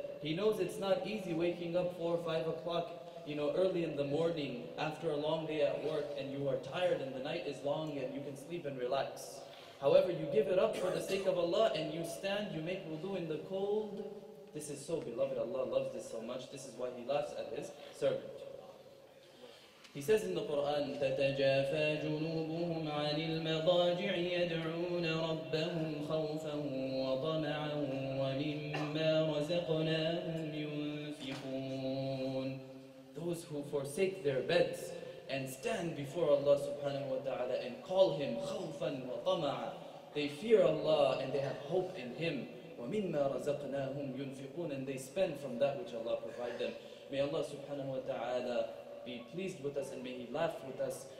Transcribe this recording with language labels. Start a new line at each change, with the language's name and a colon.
English: He knows it's not easy waking up 4 or 5 o'clock, you know, early in the morning after a long day at work, and you are tired and the night is long and you can sleep and relax. However, you give it up for the sake of Allah and you stand, you make wudu in the cold. This is so beloved. Allah loves this so much. This is why He laughs at His servant. He says in the Quran,
Arabic: تَتَجَافَى جُنُوبُهُمْ عَنِ الْمَضَاجِعِ يَدْعُونَ رَبَّهُمْ خَوْفًا وَطَمَعًا وَمِمَّا رَزَقْنَاهُمْ يُنْفِقُونَ.
English: Those who forsake their beds and stand before Allah subhanahu wa ta'ala and call Him
Arabic: خَوْفًا وَطَمَعًا,
English: they fear Allah and they have hope in Him.
Arabic: وَمِمَّا رَزَقْنَاهُمْ يُنْفِقُونَ,
English: and they spend from that which Allah provide them. May Allah subhanahu wa ta'ala be pleased with us, and may He laugh with us.